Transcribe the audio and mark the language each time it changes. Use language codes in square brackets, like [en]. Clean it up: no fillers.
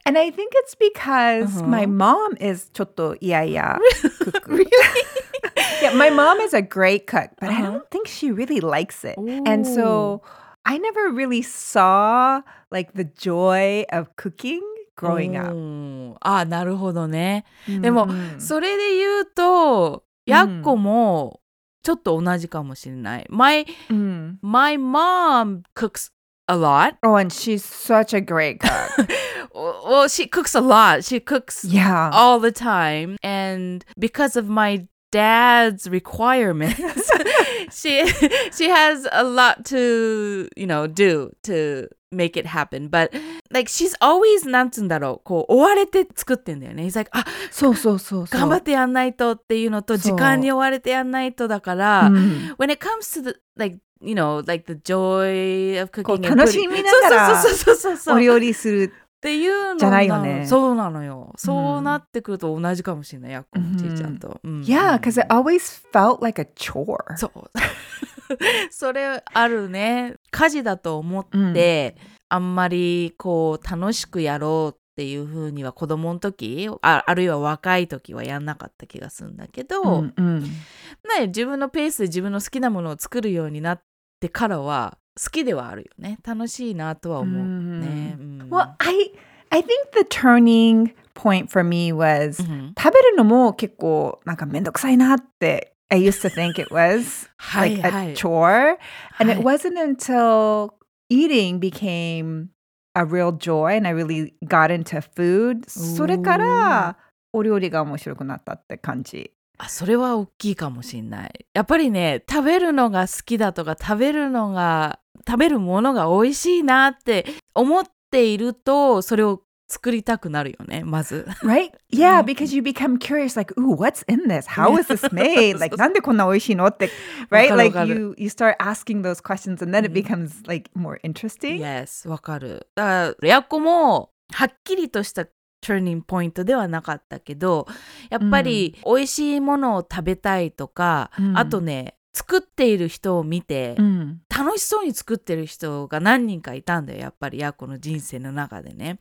[en] And I think it's because my mom is [ja] chotto yaya [en] cook. Really? Yeah. My mom is a great cook, but I don't think she really likes it. Ooh. And so I never really saw like the joy of cooking growing up. [ja] Ah, なるほどね。でもそれで言うと、やっこもちょっと同じかもしれない。 [en] My mom cooks a lot. Oh, and she's such a great cook. Well, she cooks a lot. She cooks all the time. And because of my dad's requirements, she has a lot to, you know, do to make it happen. But like, she's always, [ja] なんつんだろう、こう追われて作ってんだよね。 [en] He's like, ah, [ja] そうそうそう、頑張ってやんないとっていうのと、時間に追われてやんないとだから、 [en] when it comes to the, like, you know, like the joy of cooking, [ja] 楽しみながらお料理するっていうのじゃないよね。そうなのよ。そうなってくると同じかもしれない。やっこもちーちゃんと。 [en] Yeah, because it always felt like a chore. [ja] そう。それあるね。家事だと思って、あんまりこう楽しくやろうっていうふうには子供の時、あるいは若い時はやんなかった気がするんだけど、ね、自分のペースで自分の好きなものを作るようになってからは、好きではあるよね。楽しいなとは思うね。 [en] Well, I think the turning point for me was [ja] 食べるのも結構なんかめんどくさいなって [en] I used to think it was like [ja] はい、はい、 [en] a chore. And it wasn't until eating became a real joy and I really got into food. [ja] それからお料理が面白くなったって感じ。あ、それは大きいかもしれない。やっぱりね、食べるのが好きだとか、食べるものが美味しいなって思っていると、それを作りたくなるよね、まず。 [en] Right? Yeah, because you become curious, like, ooh, what's in this? How is this made? Like, [ja] なんでこんな美味しいのって、 [en] right? Like, you start asking those questions and then it becomes, like, more interesting. [ja] Yes, わかる。だから、やっこも、はっきりとした [en] turning point [ja] ではなかったけど、やっぱり美味しいものを食べたいとか、あとね、作っている人を見て、楽しそうに作ってる人が何人かいたんだよ、やっぱり、やっこの人生の中でね。